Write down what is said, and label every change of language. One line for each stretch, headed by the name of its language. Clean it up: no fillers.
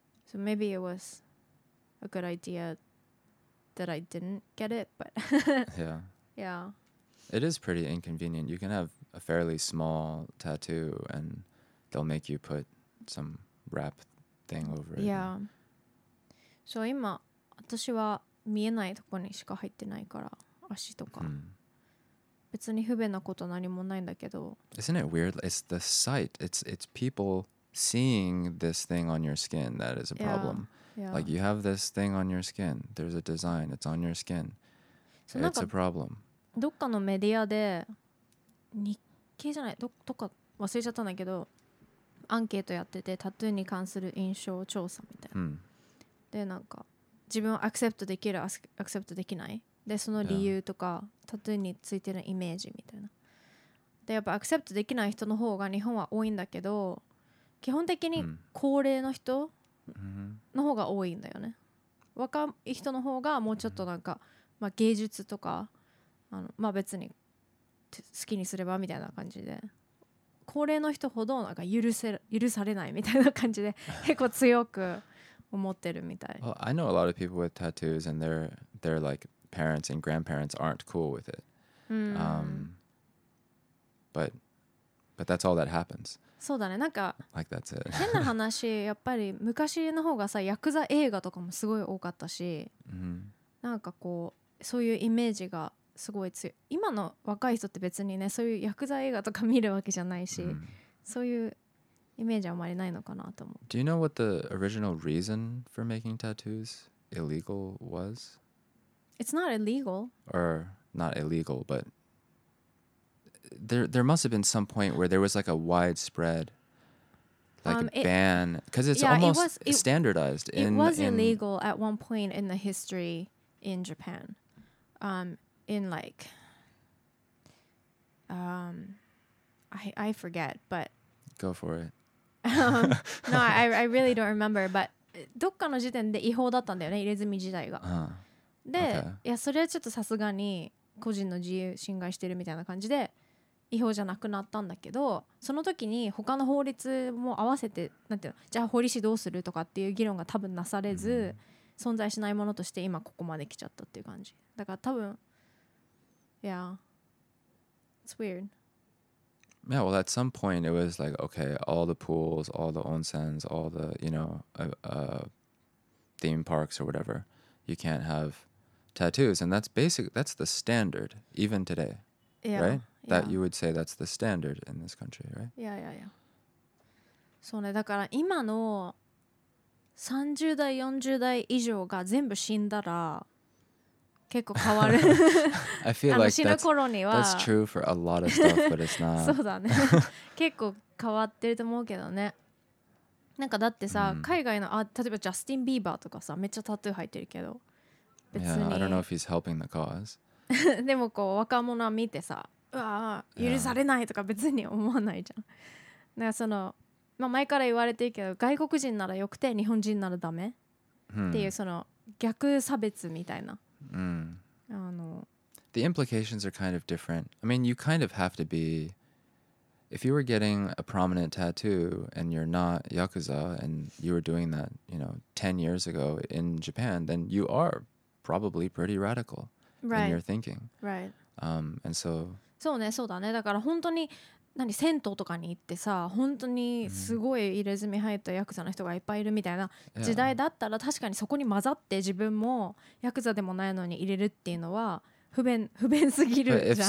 English: So maybe it was a good idea that I didn't get it, but yeah. Yeah. It is pretty inconvenient. You can have a fairly small tattoo and they'll make you put some wrap thing over it. Yeah.
Japanese: So 今私は見えないとこにしか入ってないから足とか、 hmm. 別に不便なこと何もないんだけど。
English: Isn't it weird? It's the sight. It's people seeing this thing on your skin that is a problem. Yeah. Yeah. Like you have this thing on your skin. There's a design. It's on your skin. So it's a problem.
Japanese: どっかのメディアで日経じゃない どっか忘れちゃったんだけど、アンケートやっててタトゥーに関する印象調査みたいな、 hmm. でなんか自分をアクセプトできるアクセプトできないで、その理由とか、yeah. タトゥーについてのイメージみたいな、でやっぱアクセプトできない人の方が日本は多いんだけど、基本的に高齢の人の方が多いんだよね。若い人の方がもうちょっとなんか、まあ、芸術とか、あの、まあ、別に好きにすればみたいな感じで、高齢の人ほどなんか許されないみたいな感じで結構強く思ってるみたい。
English: Well, I know a lot of people with tattoos and their like parents and grandparents aren't cool with it. But that's all that happens.
Japanese: そうだね。なんか
English: like that's it.
Japanese: 変な話、やっぱり昔の方がさ、ヤクザ映画とかもすごい多かったし、なんかこうそういうイメージがすごい強い。今の若い人って別にね、そういうヤクザ映画とか見るわけじゃないし、そういうイメージはあまりないのかなと思う。
English: Do you know what the original reason for making tattoos illegal was? It's not illegal. Or not illegal, but there must have been some point where there was like a widespread like ban. Because it's almost standardized. It was illegal at one point in the history in Japan. In like... I forget, but... Go for it. no, I really don't remember, but
Japanese: どっかの時点で違法だったんだよね、入れ墨自体が。で、
English: okay.
Japanese: いや、それはちょっとさすがに個人の自由侵害してるみたいな感じで違法じゃなくなったんだけど、その時に他の法律も合わせて、なんていうの、じゃあ法律どうするとかっていう議論が多分なされず、存在しないものとして今ここまで来ちゃったっていう感じ。だから多分、
English: yeah, it's weird. Yeah, well, at some point it was like, okay, all the pools, all the onsens, all the, you know, theme parks or whatever, you can't have tattoos. And that's the standard, even today, yeah, right? Yeah. That you would say that's the standard in this country, right? Yeah, yeah, yeah.
Japanese: そうね、だから今の30代、40代以上が全部死んだら、結構変わる。
English: I feel like that's true for a lot of stuff, but it's not.
Japanese: そうだね。結構変わってると思うけどね。なんかだってさ、海外の、例えばジャスティン・ビーバーとかさ、めっちゃタトゥー入ってるけど。別に。
English: Yeah, I don't know if he's helping the cause.
Japanese: でもこう若者は見てさ、うわ許されないとか別に思わないじゃん。だからその、まあ、前から言われてるけど、外国人ならよくて日本人ならダメっていう、その逆差別みたいな、
English: あの The implications are kind of different. I mean, you kind of have to be, if you were getting a prominent tattoo and you're not Yakuza and you were doing that, you know, 10 years ago in Japan, then you are probably pretty radical right. in your thinking. Right. And so...
Japanese: そうね、そうだね。だから本当に何銭湯とかに行ってさ、本当にすごい入れ墨入ったヤクザの人がいっぱいいるみたいな時代だったら、確かにそこに混ざって自分もヤクザでもないのに入れるっていうのは不便すぎるじゃん。